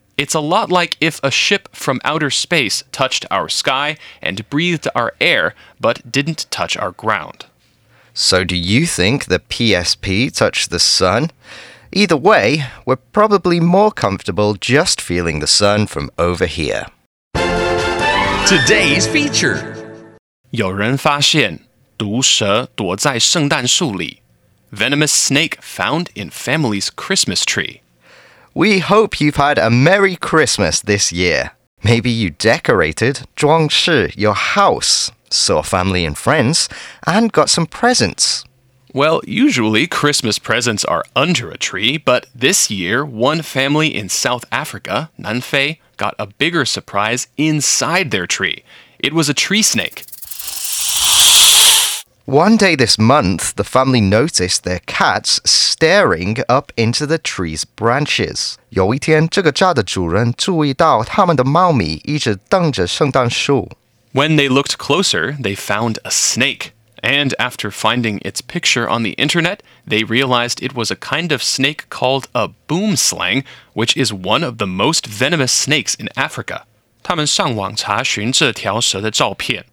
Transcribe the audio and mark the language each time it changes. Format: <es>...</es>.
<en>It's a lot like if a ship from outer space touched our sky and breathed our air, but didn't touch our ground. So do you think the PSP touched the sun? Either way, we're probably more comfortable just feeling the sun from over here. Today's feature.</en> <zh>有人发现毒蛇躲在圣诞树里。</zh> <en>Venomous snake found in family's Christmas tree. We hope you've had a Merry Christmas this year. Maybe you decorated 装饰 your house, saw family and friends, and got some presents. Well, usually Christmas presents are under a tree, but this year one family in South Africa, Nanfei, got a bigger surprise inside their tree. It was a tree snake. One day this month, the family noticed their cats staring up into the tree's branches.</en> <zh>有一天，这个家的主人注意到他们的猫咪一直瞪着圣诞树。</zh> <en>When they looked closer, they found a snake. And after finding its picture on the internet, they realized it was a kind of snake called a boomslang, which is one of the most venomous snakes in Africa.</en> <zh>他们上网查询这条蛇的照片。</zh>